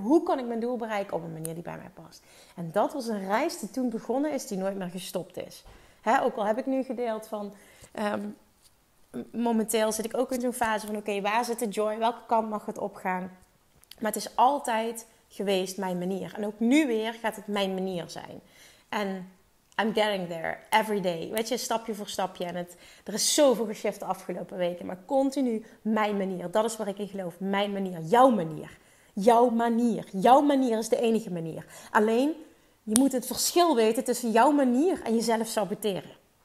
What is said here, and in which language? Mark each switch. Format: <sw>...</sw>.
<nl>Hoe kan ik mijn doel bereiken op een manier die bij mij past? En dat was een reis die toen begonnen is, die nooit meer gestopt is. Hè, ook al heb ik nu gedeeld van... momenteel zit ik ook in zo'n fase van... Oké, waar zit de joy? Welke kant mag het opgaan? Maar het is altijd geweest mijn manier. En ook nu weer gaat het mijn manier zijn.</nl> <en>En I'm getting there every day.</en> <nl>Weet je, stapje voor stapje. En er is zoveel geshift de afgelopen weken. Maar continu mijn manier. Dat is waar ik in geloof. Mijn manier. Jouw manier. Jouw manier. Jouw manier is de enige manier. Alleen, je moet het verschil weten tussen jouw manier en jezelf saboteren.</nl>